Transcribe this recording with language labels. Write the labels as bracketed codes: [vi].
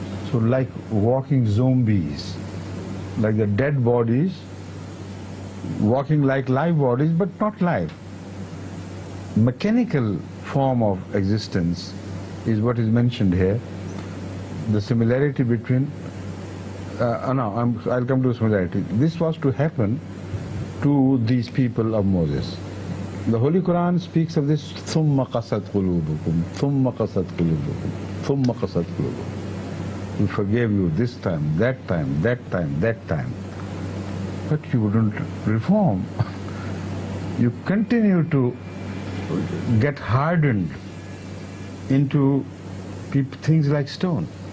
[en] So like walking zombies, like the dead bodies, walking like live bodies but not live. Mechanical form of existence is what is mentioned here. The similarity between I'll come to the similarity. This was to happen to these people of Moses. The Holy Quran speaks of this, [ar] ثُمَّ قَسَتْ قُلُوبُكُمْ ثُمَّ قَسَتْ قُلُوبُكُمْ [en] ثُمَّ قَسَتْ قُلُوبُكُمْ. He forgave you this time, that time, that time, that time. But you wouldn't reform. You continue to get hardened into things like stone.